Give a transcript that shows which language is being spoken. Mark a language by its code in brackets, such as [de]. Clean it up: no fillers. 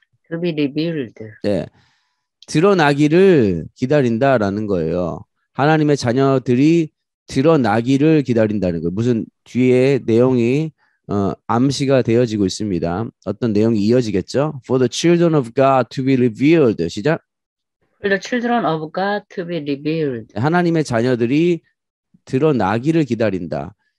[en] To be revealed. [ko] 네. 드러나기를 기다린다라는 거예요. 하나님의 자녀들이 드러나기를 기다린다는 거예요. 무슨 뒤에 내용이 암시가 되어지고 있습니다. 어떤 내용이 이어지겠죠? [en] For the children of God to be revealed. [ko] 시작. [en] For the children of God to be revealed. [ko] 하나님의 자녀들이 드러나기를 기다린다.